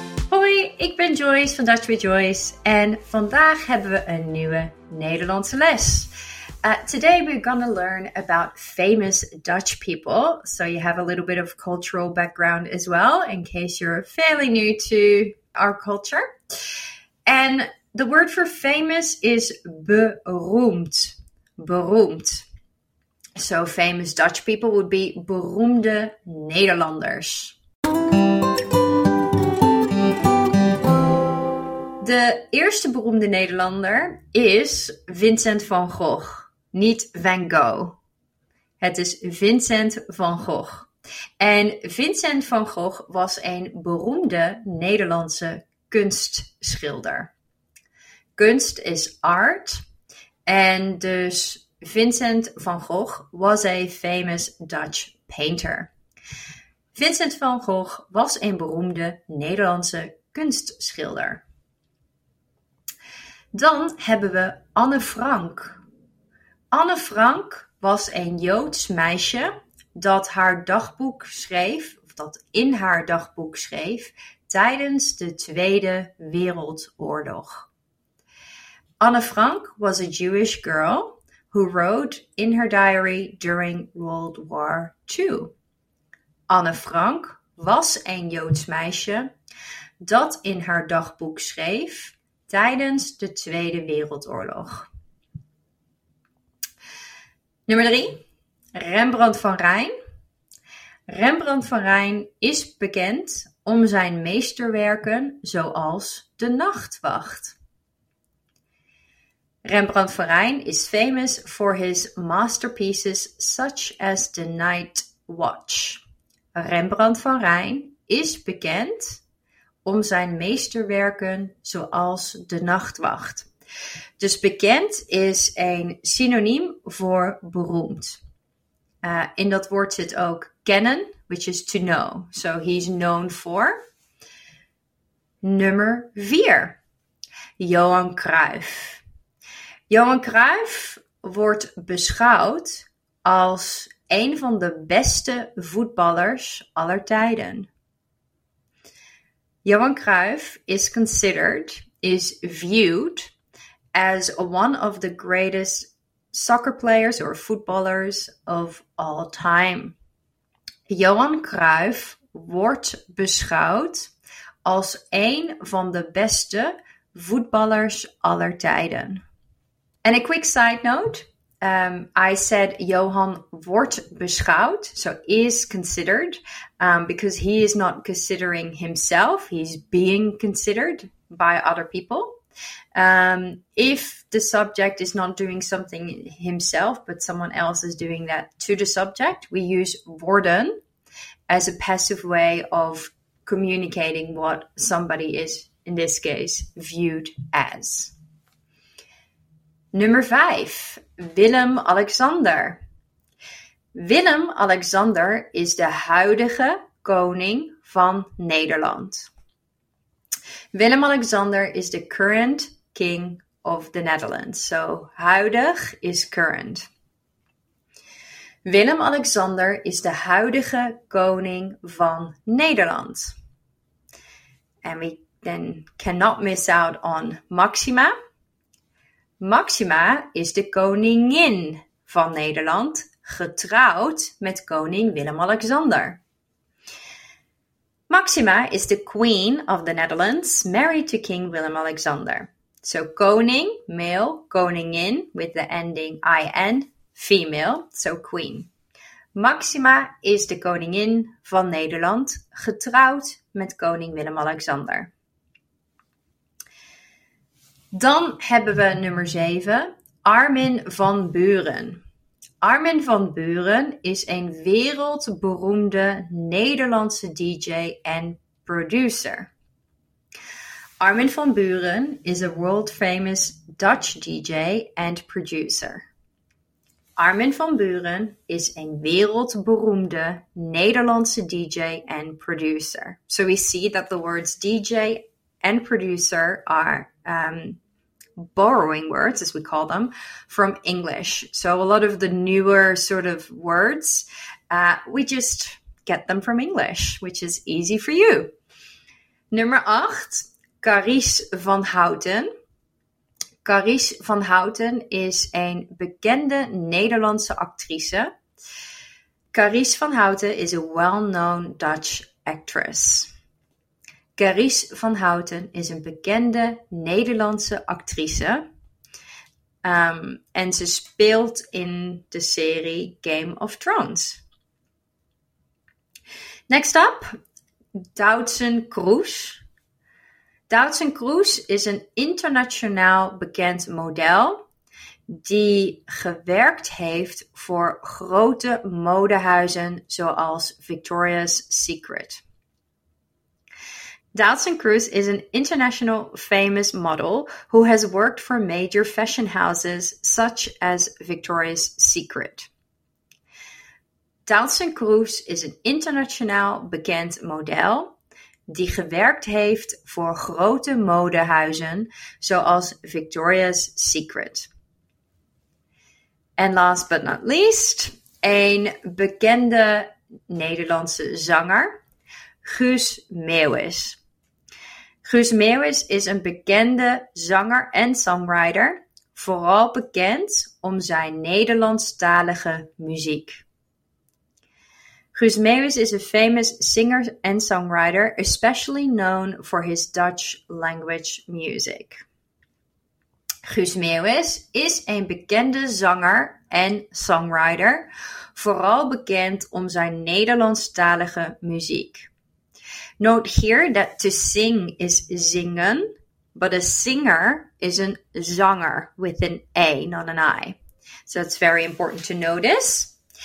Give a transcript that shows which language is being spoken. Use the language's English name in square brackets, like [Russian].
[Dutch] Hoi, ik ben Joyce van Dutch with Joyce en vandaag hebben we een nieuwe Nederlandse les. [English] Today we're going to learn about famous Dutch people, so you have a little bit of cultural background as well, in case you're fairly new to our culture. And the word for famous is beroemd, beroemd. So famous Dutch people would be [Dutch] beroemde Nederlanders. De eerste beroemde Nederlander is Vincent van Gogh. Niet Van Gogh. Het is Vincent van Gogh. En Vincent van Gogh was een beroemde Nederlandse kunstschilder. Kunst is art. En dus [English] Vincent van Gogh was a famous Dutch painter. [Dutch] Vincent van Gogh was een beroemde Nederlandse kunstschilder. Dan hebben we Anne Frank. Anne Frank was een Joods meisje dat haar dagboek schreef, of dat in haar dagboek schreef, tijdens de Tweede Wereldoorlog. [English] Anne Frank was a Jewish girl who wrote in her diary during World War II. [Dutch] Anne Frank was een Joods meisje dat in haar dagboek schreef tijdens de Tweede Wereldoorlog. Nummer 3, Rembrandt van Rijn. Rembrandt van Rijn is bekend om zijn meesterwerken zoals De Nachtwacht. [English] Rembrandt van Rijn is famous for his masterpieces such as The Night Watch. [Dutch] Rembrandt van Rijn is bekend om zijn meesterwerken zoals De Nachtwacht. Dus bekend is een synoniem voor beroemd. In dat woord zit ook kennen, [English] which is to know. So he's known for. [Dutch] Nummer 4. Johan Cruijff. Johan Cruijff wordt beschouwd als een van de beste voetballers aller tijden. [English] Johan Cruijff is considered, is viewed as one of the greatest soccer players or footballers of all time. [Dutch] Johan Cruijff wordt beschouwd als een van de beste voetballers aller tijden. [English] And a quick side note, I said Johan [Dutch] wordt beschouwd, [English] so is considered, because he is not considering himself, he's being considered by other people. If the subject is not doing something himself, but someone else is doing that to the subject, we use worden as a passive way of communicating what somebody is, in this case, viewed as. [Dutch] Nummer 5, Willem Alexander. Willem Alexander is de huidige koning van Nederland. [English] Willem Alexander is the current king of the Netherlands. So, huidig is current. [Dutch] Willem Alexander is de huidige koning van Nederland. [English] And we then cannot miss out on Maxima. [Dutch] Maxima is de koningin van Nederland, getrouwd met koning Willem Alexander. [English] Maxima is the queen of the Netherlands, married to King Willem-Alexander. So koning, male, koningin, with the ending IN, female, so queen. [Dutch] Maxima is de koningin van Nederland, getrouwd met koning Willem-Alexander. Dan hebben we nummer 7, Armin van Buuren. Armin van Buuren is een wereldberoemde Nederlandse DJ en producer. [English] Armin van Buuren is a world famous Dutch DJ and producer. [Dutch] Armin van Buuren is een wereldberoemde Nederlandse DJ en producer. [English] So we see that the words DJ and producer are borrowing words, as we call them, from English. So a lot of the newer sort of words, we just get them from English, which is easy for you. [Dutch] Nummer 8, Caries van Houten. Caries van Houten is een bekende Nederlandse actrice. [English] Caries van Houten is a well-known Dutch actress. [Dutch] Caries van Houten is een bekende Nederlandse actrice. En ze speelt in de serie Game of Thrones. [English] Next up, [Dutch] Doutzen Kroes. Doutzen Kroes is een internationaal bekend model die gewerkt heeft voor grote modehuizen zoals Victoria's Secret. [English] Doutzen Kroes is an international famous model who has worked for major fashion houses such as Victoria's Secret. [Dutch] Doutzen Kroes is een internationaal bekend model die gewerkt heeft voor grote modehuizen zoals Victoria's Secret. En [English] last but not least, [Dutch] een bekende Nederlandse zanger, Guus Meeuwis. Guus Meeuwis is een bekende zanger en songwriter, vooral bekend om zijn Nederlandstalige muziek. [English] Guus Meeuwis is a famous singer and songwriter, especially known for his Dutch language music. [Dutch] Guus Meeuwis is een bekende zanger en songwriter, vooral bekend om zijn Nederlandstalige muziek. [English] Note here that to sing is zingen, but a singer is a zanger with an A, not an I. So it's very important to notice.